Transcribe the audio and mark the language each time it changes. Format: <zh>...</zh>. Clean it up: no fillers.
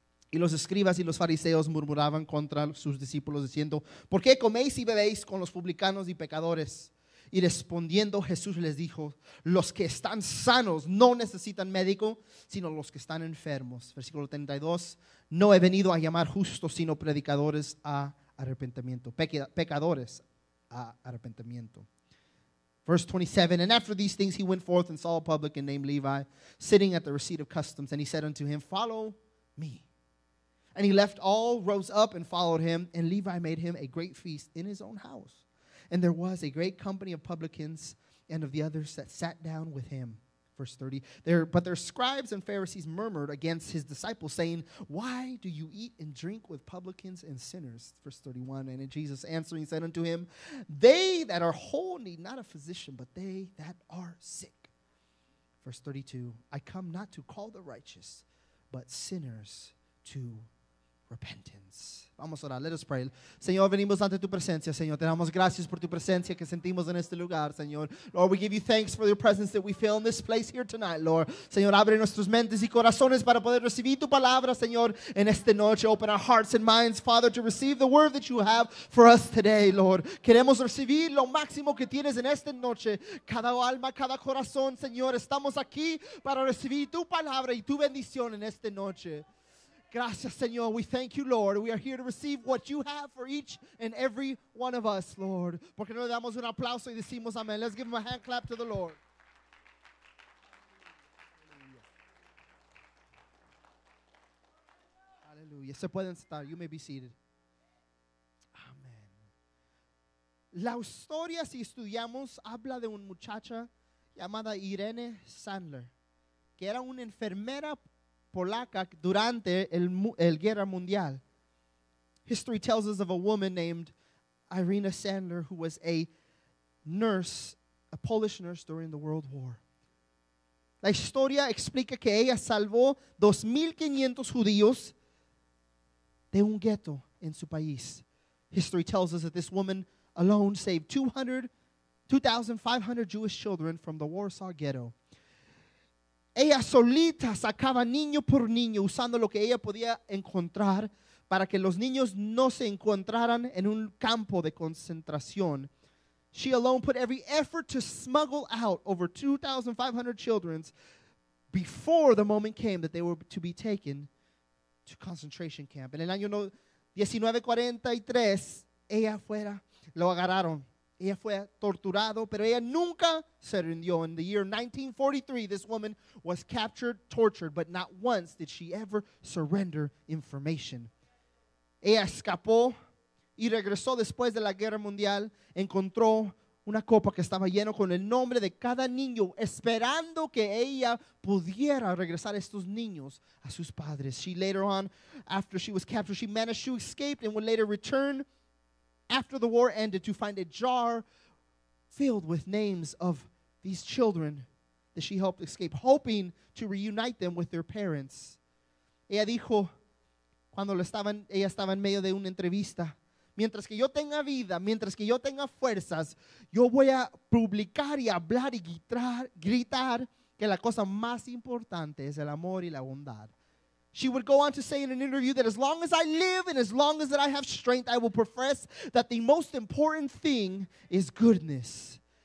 <es>Y los escribas y los fariseos murmuraban contra sus discípulos, diciendo: ¿Por qué coméis y bebéis con los publicanos y pecadores? Y respondiendo Jesús les dijo: Los que están sanos no necesitan médico, sino los que están enfermos. Versículo 32: No he venido a llamar justos, sino predicadores a arrepentimiento. Pecadores a arrepentimiento.</es> <en>Verse 27, and after these things he went forth and saw a publican named Levi sitting at the receipt of customs, and he said unto him, Follow me. And he left all, rose up, and followed him, and Levi made him a great feast in his own house. And there was a great company of publicans and of the others that sat down with him. Verse 30, but their scribes and Pharisees murmured against his disciples, saying, Why do you eat and drink with publicans and sinners? Verse 31, and Jesus answering said unto him, They that are whole need not a physician, but they that are sick. Verse 32, I come not to call the righteous, but sinners to repentance.</en> <es>Vamos a orar.</es> <en>Let us pray.</en> <es>Señor, venimos ante tu presencia, Señor. Te damos gracias por tu presencia que sentimos en este lugar, Señor.</es> <en>Lord, we give you thanks for your presence that we feel in this place here tonight, Lord.</en> <es>Señor, abre nuestras mentes y corazones para poder recibir tu palabra, Señor, en esta noche.</es> <en>Open our hearts and minds, Father, to receive the word that you have for us today, Lord.</en> <es>Queremos recibir lo máximo que tienes en esta noche. Cada alma, cada corazón, Señor, estamos aquí para recibir tu palabra y tu bendición en esta noche. Gracias, Señor.</es> <en>We thank you, Lord. We are here to receive what you have for each and every one of us, Lord.</en> <es>Porque no le damos un aplauso y decimos amén.</es> <en>Let's give him a hand clap to the Lord. Hallelujah.</en> <es>Se pueden sentar.</es> <en>You may be seated. Amen.</en> <es>La historia, si estudiamos, habla de una muchacha llamada Irene Sandler, que era una enfermera polaca durante el guerra mundial.</es> <en>History tells us of a woman named Irina Sandler who was a nurse, a Polish nurse during the World War.</en> <es>La historia explica que ella salvó 2,500 judíos de un ghetto en su país.</es> <en>History tells us that this woman alone saved 2,500 Jewish children from the Warsaw ghetto.</en> <es>Ella solita sacaba niño por niño usando lo que ella podía encontrar para que los niños no se encontraran en un campo de concentración.</es> <en>She alone put every effort to smuggle out over 2,500 children before the moment came that they were to be taken to concentration camp.</en> <es>En el año 1943, ella fuera, lo agarraron. Ella fue torturado, pero ella nunca se rindió.</es> <en>In the year 1943, this woman was captured, tortured, but not once did she ever surrender information.</en> <es>Ella escapó y regresó después de la guerra mundial. Encontró una copa que estaba lleno con el nombre de cada niño, esperando que ella pudiera regresar estos niños a sus padres.</es> <en>She later on, after she was captured, she managed to escape and would later return after the war ended to find a jar filled with names of these children that she helped escape, hoping to reunite them with their parents.</en> <es>Ella dijo, cuando ella estaba en medio de una entrevista, mientras que yo tenga vida, mientras que yo tenga fuerzas, yo voy a publicar y hablar y gritar que la cosa más importante es el amor y la bondad.</es> <en>She would go on to say in an interview that as long as I live and as long as that I have strength, I will profess that the most important thing is goodness.</en>